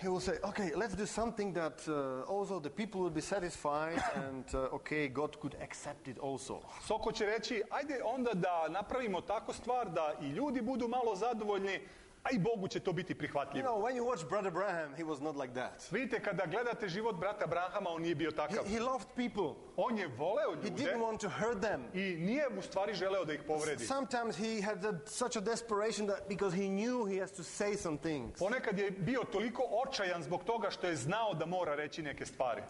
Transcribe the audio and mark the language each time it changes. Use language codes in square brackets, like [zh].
[en] He will say, okay, let's do something that also the people will be satisfied and okay, God could accept it also. [sr] Soko će reći, ajde onda da napravimo tako stvar da i ljudi budu malo zadovoljni, a i Bogu će to biti prihvatljivo. [en] You know, when you watch Brother Branham, he was not like that. [sr] Vidite, kada gledate život brata Branhama, on nije bio takav. [en] He loved people. [sr] On je voleo ljude. [en] He didn't want to hurt them. [sr] I nije u stvari želeo da ih povredi. [en] Sometimes he had such a desperation that because he knew he has to say some things. [sr] Ponekad je bio toliko očajan zbog toga što je znao da mora reći neke stvari.